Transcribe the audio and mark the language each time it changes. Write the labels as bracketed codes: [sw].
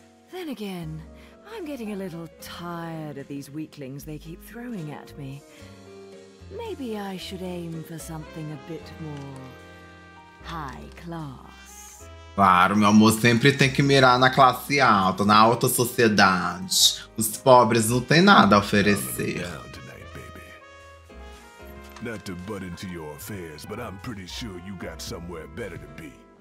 [en] Then again, I'm getting a little tired of these weaklings they keep throwing at me. Maybe I should aim for something a bit more. High class. [pt] Claro, meu amor, sempre tem que mirar na classe alta, na alta sociedade. Os pobres não têm nada a oferecer. [en] Tonight, baby. Not to butt into your affairs, but I'm pretty sure you got somewhere better to be.